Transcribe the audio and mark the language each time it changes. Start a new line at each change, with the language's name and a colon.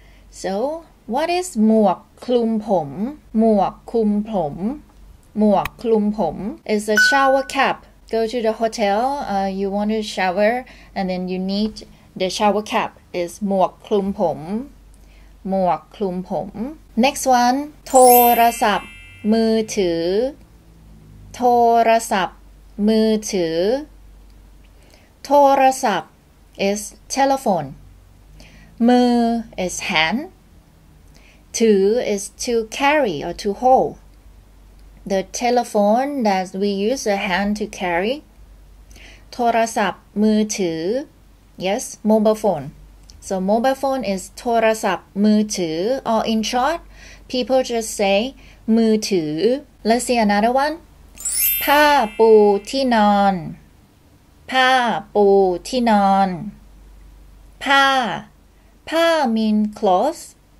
English: So, what is
Thai: หมวก คลุม ผม หมวก คลุม ผมหมวกคลุมผม
English: is a shower cap. Go to the hotel, you want to shower, and then you need the shower cap.
Thai: Is หมวกคลุมผมหมวกคลุมผม
English: Next one,
Thai: โทรศัพท์มือถือโทรศัพท์มือถือโทรศัพท์
English: is telephone. มือ is hand. ถือ is to carry or to hold. The telephone that we use a hand to carry. โทรศัพท์มือถือ Yes, mobile phone. So mobile phone is โทรศัพท์มือถือ Or in short, people just say มือถือ Let's see another one.
Thai: ผ้าปูที่นอนผ้าปูที่นอนผ้า
English: mean cloth.